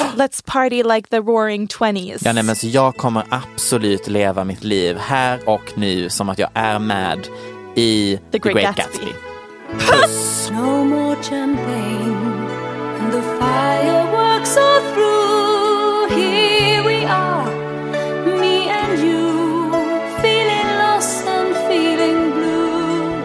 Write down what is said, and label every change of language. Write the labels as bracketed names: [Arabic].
[English] Let's party like the roaring 20s. [Swedish] Ja, nej, men så jag kommer absolut leva mitt liv här och nu som att jag är med i [English] The Great Gatsby. Puss! No more champagne. The fireworks are through. Here we are, me and you, feeling lost and feeling blue.